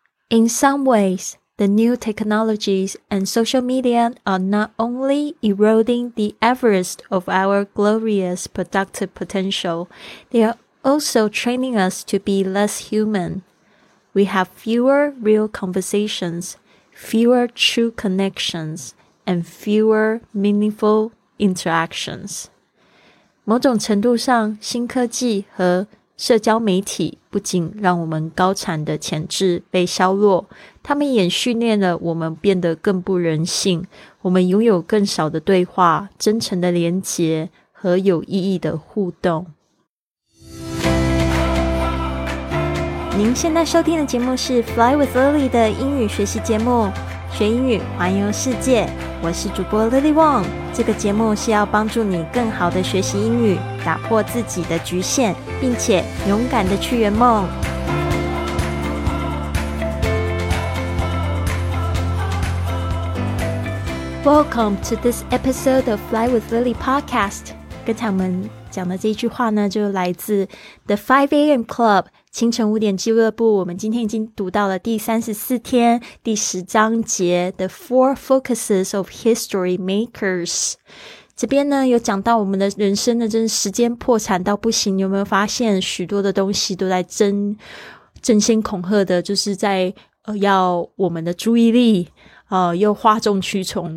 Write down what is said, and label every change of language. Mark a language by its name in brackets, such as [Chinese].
[English] In some ways, the new technologies and social media are not only eroding the Everest of our glorious productive potential, they are also training us to be less human. We have fewer real conversations, fewer true connections, and fewer meaningful interactions. [Chinese] 某种程度上，新科技和社交媒体不仅让我们高产的潜质被削弱，他们也训练了我们变得更不人性，我们拥有更少的对话、真诚的连结和有意义的互动。您现在收听的节目是 Fly with Lily 的英语学习节目，学英语环游世界，我是主播 Lily Wong。这个节目是要帮助你更好的学习英语，打破自己的局限，并且勇敢的去圆梦。 [English] Welcome to this episode of Fly with Lily podcast。 [Chinese] 刚才我们讲的这句话呢，就来自 The 5AM Club清晨五点俱乐部，我们今天已经读到了第34天第十章节 The Four Focuses of History Makers。这边呢有讲到我们的人生的真时间破产到不行，有没有发现许多的东西都在争先恐后的，就是在要我们的注意力，又哗众取宠。